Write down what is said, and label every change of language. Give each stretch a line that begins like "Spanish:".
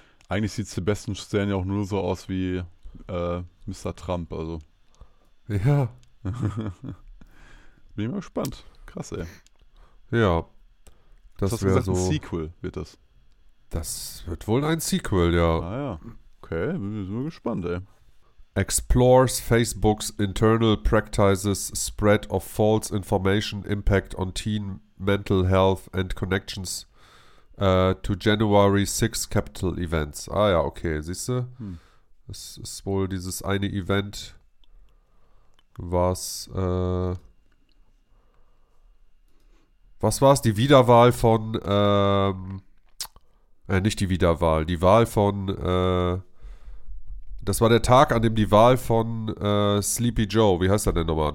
German: Eigentlich sieht Sebastian Stan ja auch nur so aus wie Mr. Trump. Also. Ja. Bin ich mal gespannt. Krass, ey. Ja. Das hast du gesagt, so, ein Sequel wird das. Das wird wohl ein Sequel, ja. Ah ja. Okay, bin ich mal gespannt, ey.
English: Explores Facebook's internal practices, spread of false information, impact on teen mental health and connections to January 6 Capital Events.
German: Ah ja, okay, siehst du? Das ist wohl dieses eine Event, was war es? Die Wiederwahl von, nicht die Wiederwahl, die Wahl von, das war der Tag, an dem die Wahl von Sleepy Joe, wie heißt er denn nochmal?